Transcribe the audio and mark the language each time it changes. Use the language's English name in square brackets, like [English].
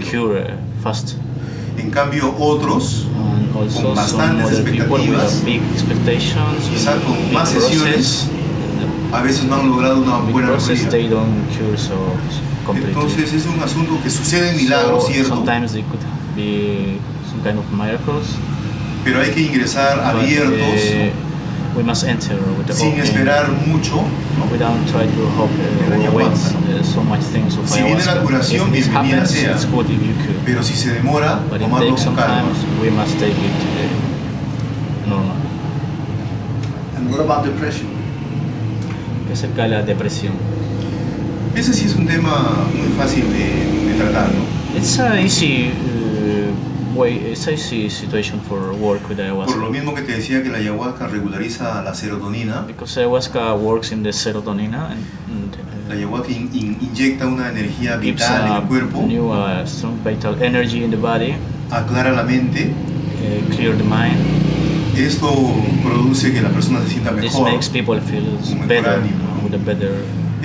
[English] They cure fast. [Spanish] En cambio, otros con bastantes expectativas, [English] big expectations, [Spanish] quizá con [English] big [Spanish] más sesiones, a veces no han logrado una buena [English] process, they don't cure so completely. [Spanish] Entonces es un asunto que sucede en milagros, [English] so, [Spanish] ¿cierto? [English] Sometimes they could be some kind of miracles, [Spanish] pero hay que ingresar abiertos. [English] We must enter with the [Spanish] sin esperar mucho, no, [English] without try to hope wait so much things of [Spanish] si viene la curación, [English] if [Spanish] bienvenida [English] happens, [Spanish] sea [English] it's good if you could. [Spanish] Pero si se demora, tomarlo con calma. [English] We must take it normal. And what about depression? [Spanish] ¿Qué acerca de la depresión? Ese sí es un tema muy fácil de tratar, ¿no? [English] It's a easy way, it's a easy situation for work with ayahuasca. [Spanish] Por lo mismo que te decía que la ayahuasca regulariza la serotonina. [English] Because ayahuasca works in the serotonina. And, [Spanish] la ayahuasca inyecta una energía vital en el cuerpo. [English] Gives a new strong vital energy in the body. [Spanish] Aclara la mente. [English] Clear the mind. [Spanish] Esto produce que la persona se sienta mejor. [English] This makes people feel better, ánimo, with a better state.